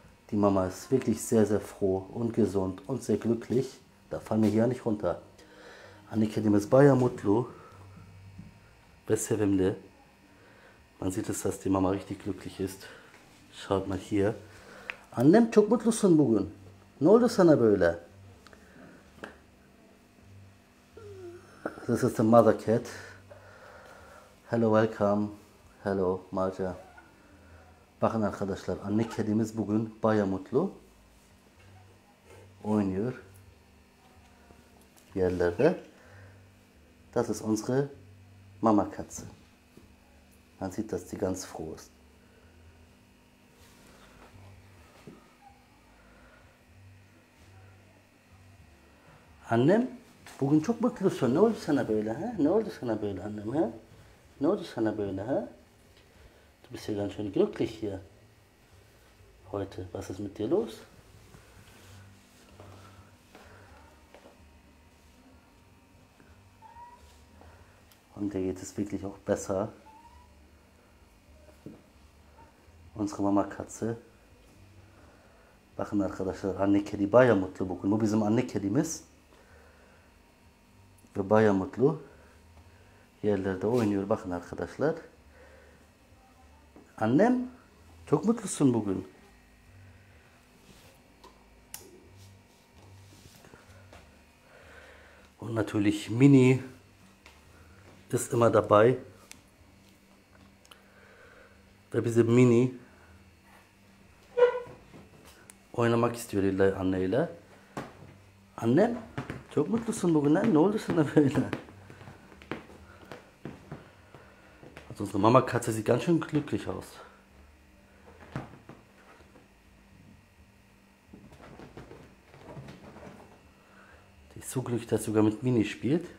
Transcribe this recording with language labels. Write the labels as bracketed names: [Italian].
[German] Die Mama ist wirklich sehr, sehr froh und gesund und sehr glücklich. Da fallen wir hier auch nicht runter. Annike, die ist [Turkish] Baya Mutlu. Besevimli. [German] Man sieht es, dass die Mama richtig glücklich ist. Schaut mal hier. [Turkish] Annem çok mutlusun bugün. Ne oldu sana böyle? [English] This is the mother cat. Hello, welcome. Hello, Maja. [Turkish] Bakın arkadaşlar, anne kedimiz bugün baya mutlu. Oynuyor. Yerlerde. [German] Das ist unsere Mama Katze. Man sieht, dass sie ganz froh ist. [Turkish] Annem, bugün çok mutlusun. Ne oldu sana böyle? He? Ne oldu sana böyle annem? He? Ne oldu sana böyle? He? [German] Du bist ja ganz schön glücklich hier heute. Was ist mit dir los? Und dir geht es wirklich auch besser. Unsere Mama Katze. [Turkish] Bakın arkadaşlar, anne kedi baya mutlu bugün. Bu bizim anne kedimiz. Ve baya mutlu. Yerlerde oynuyor. Bakın arkadaşlar. Annem, çok mutlusun bugün. [German] Und natürlich Mini ist immer dabei. [Turkish] Ve bizim Mini oynamak istiyor illa anneyle. Annem, çok mutlusun bugün. Ne oldu sana böyle? [German] Unsere Mama-Katze sieht ganz schön glücklich aus. Die ist so glücklich, dass sie sogar mit Mini spielt.